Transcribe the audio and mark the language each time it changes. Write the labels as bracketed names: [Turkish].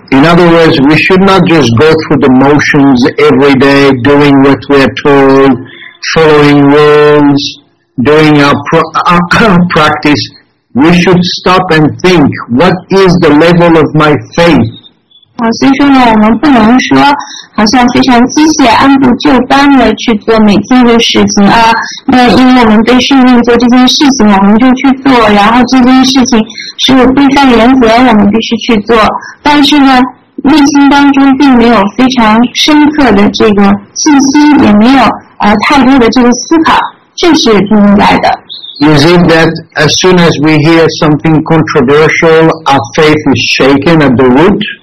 [English] In other words, we should not just go through the motions every day, doing what we're told, following rules, doing our practice. We should stop and think, what is the level of my faith? [Chinese] 所以说呢，我们不能说好像非常机械，按部就班的去做每天的事情啊，因为我们被训练做这件事情，我们就去做，然后这件事情是规范原则，我们必须去做。但是呢，内心当中并没有非常深刻的这个信心，也没有太多的这个思考，这是明白的。 [English] Is it that as soon as we hear something controversial, our faith is shaken at the root?